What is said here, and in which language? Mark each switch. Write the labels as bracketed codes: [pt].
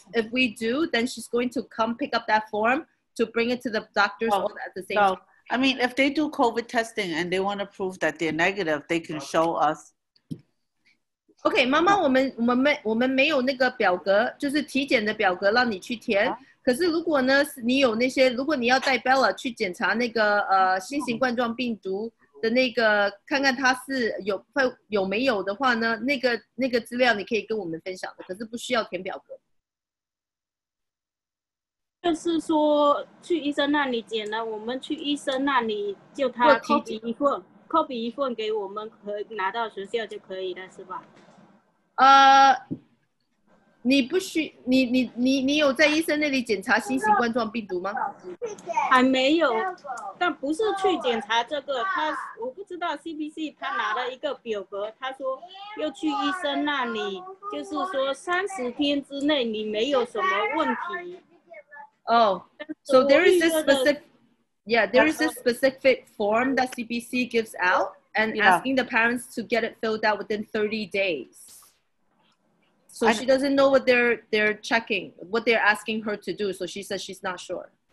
[en] If we do, then she's going to come pick up that form to bring it to the doctor's office at the same time. I mean, if they do COVID testing and they want to prove that they're negative, they can show us. [zh] Okay, 妈妈，我们没有那个表格，就是体检的表格让你去填。可是如果呢，你有那些，如果你要带 Bella 去检查那个新型冠状病毒的那个，看看他是有没有的话呢，那个资料你可以跟我们分享的，可是不需要填表格。就是说去医生那里检了，我们去医生那里就他提笔一份 ，copy 一份给我们，可以拿到学校就可以了，是吧？你不需你有在医生那里检查新型冠状病毒吗？还没有，但不是去检查这个，他我不知道 CPC 他拿了一个表格，他说要去医生那里，就是说30天之内你没有什么问题。 [en] Oh, so there is this specific, yeah, there is this specific form that CBC gives out and asking the parents to get it filled out within 30 days. So she doesn't know what they're checking, what they're asking her to do. So she says she's not sure.